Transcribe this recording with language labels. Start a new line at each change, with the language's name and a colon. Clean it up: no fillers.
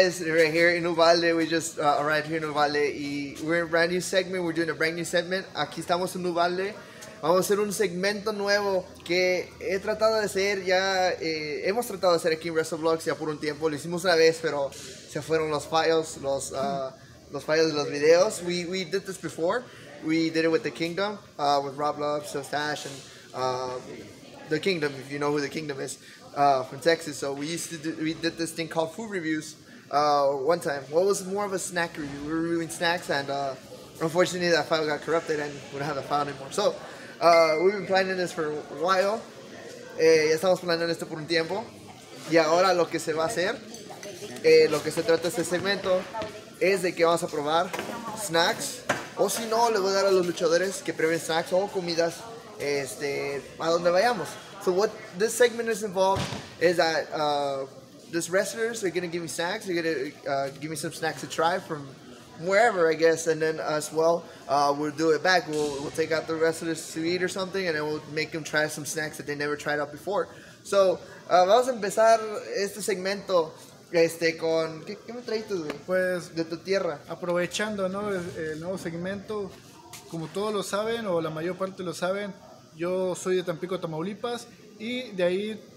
English: We just arrived here in Uvalde, and we're in a brand new segment. We're doing a brand new segment.
Spanish: Aquí estamos en Uvalde. Vamos a hacer un segmento nuevo que he tratado de hacer ya. Hemos tratado de hacer aquí en WrestleVlogs ya por un tiempo. Lo hicimos una vez, pero se fueron los files, los files de los videos.
English: We did this before. We did it with The Kingdom, with Rob Love, Sustash, and The Kingdom, if you know who The Kingdom is, from Texas. So we did this thing called Food Reviews. One time, what was more of a snack review? We were reviewing snacks, and unfortunately, that file got corrupted and we don't have the file anymore. So, we've been planning this for a while.
Spanish: Ya estamos planeando esto por un tiempo. Y ahora lo que se va a hacer, lo que se trata este segmento, es de que vamos a probar snacks. O si no, le voy a dar a los luchadores que prueben snacks o comidas a donde vayamos.
English: So, what this segment is involved is that. These wrestlers are gonna give me snacks. They're gonna give me some snacks to try from wherever, I guess. And then as well, we'll do it back. We'll take out the wrestlers to eat or something, and then we'll make them try some snacks that they never tried out before.
Spanish: So vamos a empezar este segmento con ¿qué me trajiste, güey? Pues de tu tierra. Aprovechando, ¿no? El nuevo segmento, como todos lo saben o la mayor parte lo saben, yo soy de Tampico, Tamaulipas, y de ahí.